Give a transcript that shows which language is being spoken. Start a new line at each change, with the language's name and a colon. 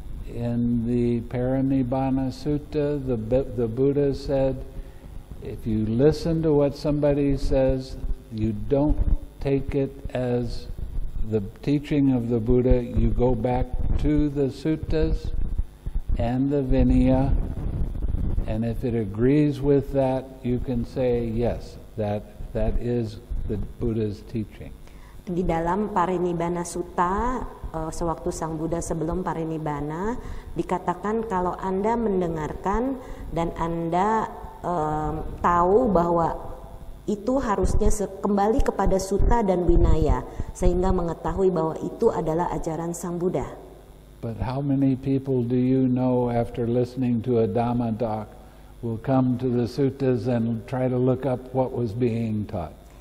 English: In the Parinibbana Sutta, the Buddha said, if you listen to what somebody says, you don't take it as the teaching of the Buddha, you go back to the suttas and the Vinaya, and if it agrees with that, you can say yes, that is the Buddha's teaching.
Indonesian: Di dalam Parinibbana Sutta, sewaktu Sang Buddha sebelum Parinibbana, dikatakan kalau Anda mendengarkan dan Anda tahu bahwa itu harusnya kembali kepada sutta dan winaya sehingga mengetahui bahwa itu adalah ajaran Sang Buddha.
English: But how many people do you know after listening to a Dhamma talk will come to the suttas and try to look up what was being taught?